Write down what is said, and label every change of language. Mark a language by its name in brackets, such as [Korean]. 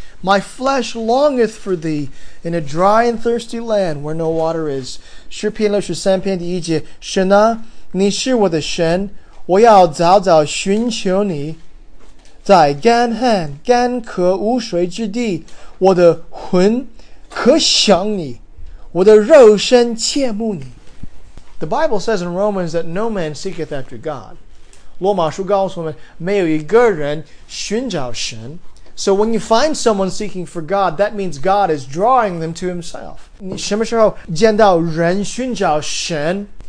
[English] My flesh longeth for Thee in a dry and thirsty land where no water is. [Chinese] 诗篇63篇第一节 神啊,你是我的神, 我要早早寻求你, 在干旱干渴无水之地, 我的魂渴想你, 我的肉身切慕你. [English] The Bible says in Romans that no man seeketh after God. [Chinese] 罗马书告诉我们, 没有一个人寻找神. [English] So when you find someone seeking for God, that means God is drawing them to Himself. [Chinese] 你什么时候见到人寻找神?